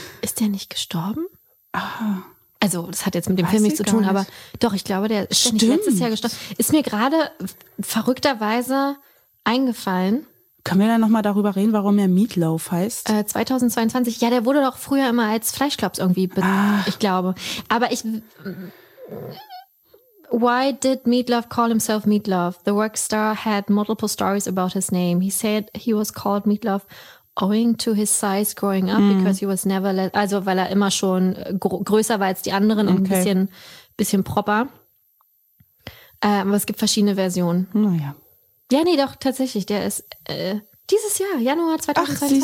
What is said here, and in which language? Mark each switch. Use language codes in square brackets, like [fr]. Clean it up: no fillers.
[de] Ist der nicht gestorben? Also, das hat jetzt mit dem Film nichts zu tun, aber doch, ich glaube, der ist nicht letztes Jahr gestorben. Ist mir gerade verrückterweise eingefallen. Können wir dann nochmal darüber reden, warum er Meatloaf heißt? 2022, ja, der wurde doch früher immer als Fleischklops irgendwie, ich glaube. Aber ich... [en] Why did Meatloaf call himself Meatloaf? The workstar had multiple stories about his name. He said he was called Meatloaf owing to his size growing up, because he was never... [de] Also, weil er immer schon größer war als die anderen und ein bisschen proper. Aber es gibt verschiedene Versionen. Naja. Ja, nee, doch, tatsächlich, der ist dieses Jahr, Januar 2023.